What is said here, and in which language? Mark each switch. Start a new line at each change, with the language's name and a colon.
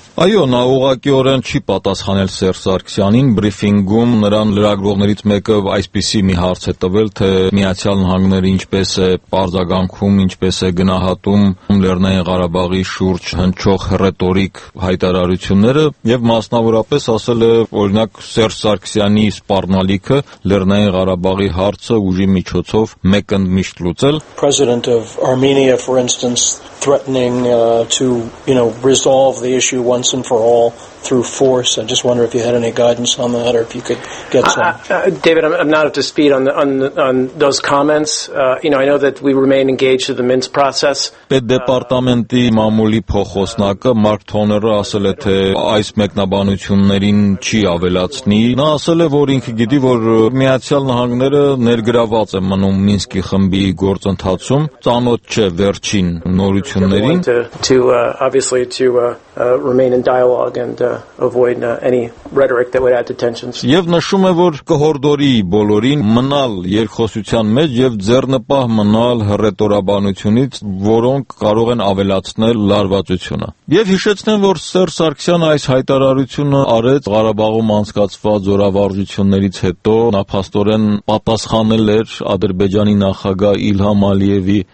Armenian: Այո, նա ուղղակիորեն չի պատասխանել Սերժ Սարգսյանին, բրիֆինգում նրան լրագրողներից մեկը այսպիսի մի հարց է տվել, թե Միացյալ Նահանգները ինչպես է պարզագանքում, ինչպես է գնահատում Լեռնային Ղարաբաղի շուրջ հնչող ռետորիկ հայտարարությունները, և մասնավորապես ասել է, օրինակ, Սերժ Սարգսյանի սպառնալիքը Լեռնային Ղարաբաղի հարցը ուժի միջոցով մեկընդմիջտ լուծել։
English: President of Armenia, for instance, threatening to, you know, resolve the issue once and for all through force. I just wonder if you had any guidance on that, or if you could get some. David, I'm not up to speed on those comments. I know that we remain engaged with the Minsk process.
Armenian: Պետ դեպարտամենտի մամուլի փոխոսնակը Մարկ Թոները ասել է, թե այս մեկնաբանություններին չի ավելացնի։ Նա ասել է, որ ինքը գիտի, որ Միացյալ Նահանգները ներգրաված է մնում Մինսկի խմբի գործընթացում, ծանոթ չէ վերջին նորություններին։
English: Remain in dialogue and avoid any rhetoric that would add to tensions.
Armenian: Եվ նշում է, որ կհորդորի բոլորին մնալ երկխոսության մեջ եւ ձեռնպահ մնալ հռետորաբանությունից, որոնք կարող են ավելացնել լարվածությունը։ Եվ հիշեցնեմ, որ Սերժ Սարգսյանը այս հայտարարությունը արեց Ղարաբաղում անցկացված զորավարժություններից հետո, նա փաստորեն պատասխանել էր Ադրբեջանի նախագահ Իլհամ Ալիևի